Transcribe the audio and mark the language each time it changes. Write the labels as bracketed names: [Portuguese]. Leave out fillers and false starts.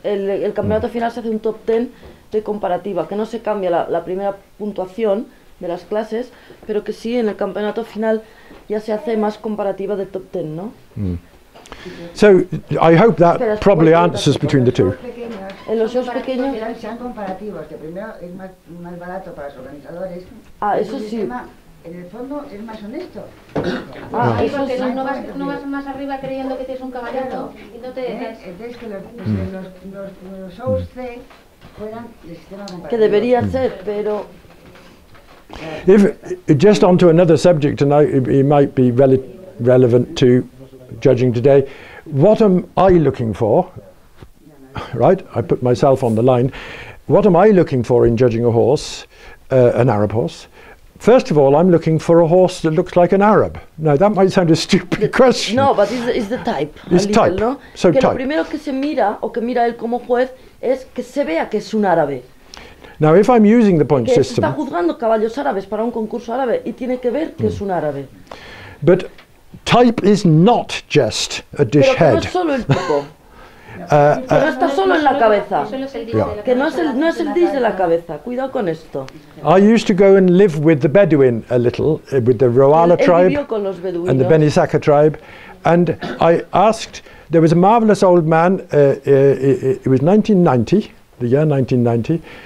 [Spanish] El campeonato final se hace un top 10 de comparativa, que no se cambia la primera puntuación de las clases, pero que sí en el campeonato final ya se hace más comparativa de top 10, ¿no? [English] So I hope that probably answers between the two. [Spanish] En los shows pequeños sean comparativos, que primero es más barato para los organizadores. Ah, eso sí. En el fondo es más honesto. Ah, eso sí. No vas más arriba creyendo que tienes un caballito y no te dejas. Entonces que los shows C fueran el sistema comparativo. Que debería ser, pero [English] if just onto another subject, and it might be relevant to judging today, what am I looking for? Right, I put myself on the line. What am I looking for in judging a horse, an Arab horse? First of all, I'm looking for a horse that looks like an Arab. Now that might sound a stupid question. No, but it's the type. It's type. No? So [Spanish] que [English] type. [Spanish] Lo primero que se mira o que mira él como juez es que se vea que es un árabe. [English] Now, if I'm using the point system, [Spanish] está juzgando caballos árabes para un concurso árabe y tiene que ver que es un árabe. [English] But type is not just a dish head. [Spanish] Pero que no es solo el tipo. Que no está solo en la cabeza. Que no es el dish de la cabeza. Cuidado con esto. [English] I used to go and live with the Bedouin a little, with the Rowala tribe and the Beni Sakha tribe, and I asked. There was a marvelous old man. It was 1990, the year 1990.